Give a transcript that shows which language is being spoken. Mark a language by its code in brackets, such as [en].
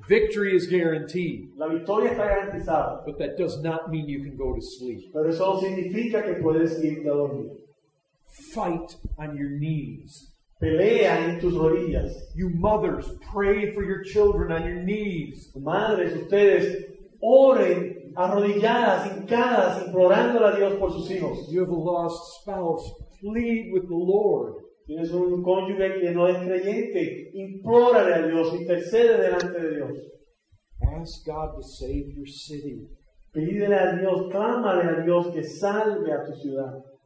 [en] Victory is guaranteed. [es] La victoria está garantizada. [en] But that does not mean you can go to sleep. [es] Pero eso no significa que puedes irte a dormir. [en] Fight on your knees. [es] Pelea en tus rodillas. [en] You mothers, pray for your children on your knees. [es] Madres, ustedes oren arrodilladas, hincadas, implorándole a Dios por sus hijos. [en] You have a lost spouse, plead with the Lord. [es] Tienes un cónyuge que no es creyente, implórale a Dios, intercede delante de Dios. [en] Ask God to save your city. [es] Pídele a Dios, clámale a Dios que salve a tu ciudad.